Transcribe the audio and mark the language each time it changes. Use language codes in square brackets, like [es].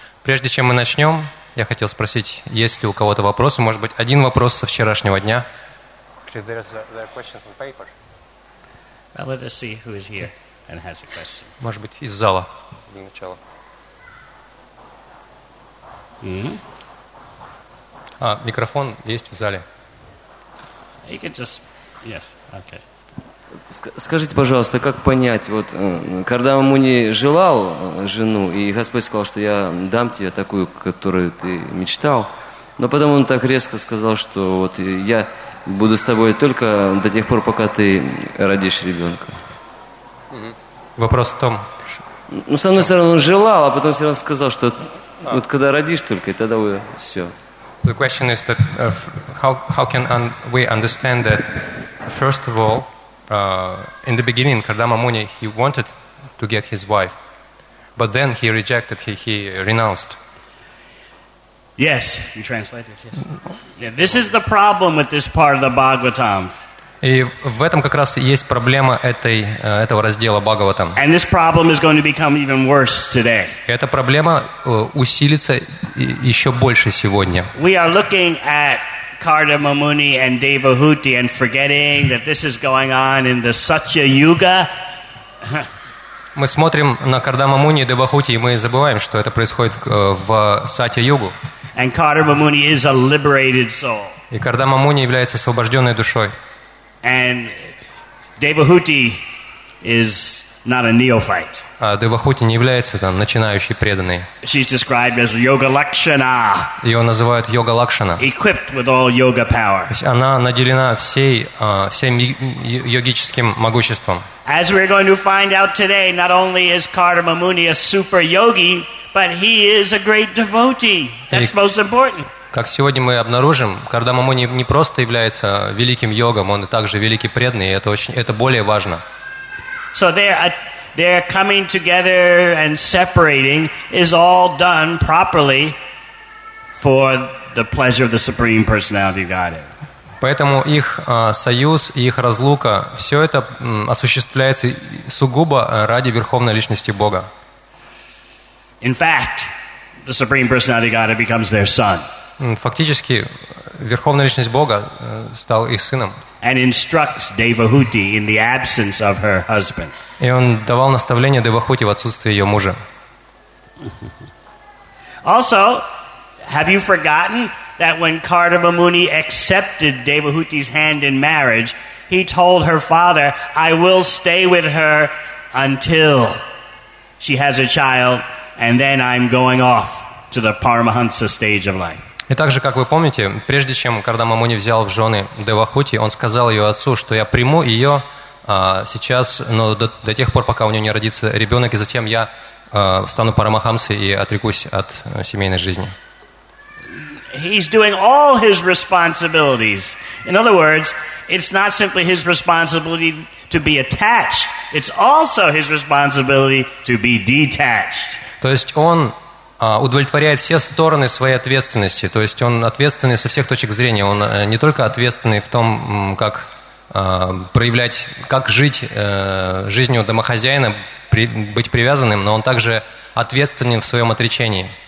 [ru] Прежде чем мы начнем, я хотел спросить, есть ли у кого-то вопросы, может быть, один вопрос со вчерашнего дня? [en] Let us see who is here and has a question. [ru] Может быть, из зала. Для начала. А, микрофон есть в зале. [en] You can just... Yes, okay. [ru] Скажите, пожалуйста, как понять, вот Кардама Муни желал жену, и Господь сказал, что я дам тебе такую, которую ты мечтал, но потом он так резко сказал, что вот я буду с тобой только до тех пор, пока ты родишь ребенка. Вопрос в том... Ну, с одной стороны, он желал, а потом все равно сказал, что вот когда родишь только, тогда вы все. [en] The question is that how can we understand that, first of all, in the beginning, Kardama Muni, he wanted to get his wife, but then he rejected, he renounced. Yes, you translated, yes. Yeah, this is the problem with this part of the Bhagavatam. [ru] И в этом как раз есть проблема этого раздела Бхагаватам. [en] And this problem is going to become even worse today. [ru] Эта проблема усилится еще больше сегодня. [en] We are looking at Kardama Muni and Devahuti and forgetting that this is going on in the Satya Yuga. [ru] Мы смотрим на Кардама Муни и Девахути, и мы забываем, что это происходит в Сатья Югу. [en] And Kardama Muni is a liberated soul. [ru] И Кардама Муни является освобожденной душой. [en] And Devahuti is not a neophyte. [ru] А Девахути не является там начинающий преданный. [en] She's described as a yoga lakshana. [ru] Ее называют йога лакшана. [en] Equipped with all yoga power. [ru] Она наделена всем йогическим могуществом. [en] As we're going to find out today, not only is Kardama Muni a super yogi, but he is a great devotee. That's most important. [ru] Как сегодня мы обнаружим, Кардама Муни не просто является великим йогом, он также великий преданный, и это более важно. [en] So their coming together and separating is all done properly for the pleasure of the Supreme Personality of Godhead. [ru] Поэтому их союз и их разлука, все это осуществляется сугубо ради Верховной Личности Бога. [en] In fact, the Supreme Personality of Godhead becomes their son. [ru] Фактически, Верховная Личность Бога стал их сыном. [en] And instructs Devahuti in the absence of her husband. [ru] И он давал наставление Девахути в отсутствие ее мужа. [en] Also, have you forgotten that when Kardama Muni accepted Devahuti's hand in marriage, he told her father, I will stay with her until she has a child, and then I'm going off to the Paramahansa stage of life. [ru] И также, как вы помните, прежде чем Кардама Муни взял в жены Девахути, он сказал ее отцу, что я приму ее сейчас, но до тех пор, пока у нее не родится ребенок, и затем я стану парамахамсой и отрекусь от семейной жизни. [en] He's doing all his responsibilities. In other words, it's not simply his responsibility to be attached, it's also his responsibility to be detached. [ru] То есть он удовлетворяет все стороны своей ответственности. То есть он ответственный со всех точек зрения. Он не только ответственный в том, как проявлять, как жить жизнью домохозяина, быть привязанным, но он также ответственен в своем отречении.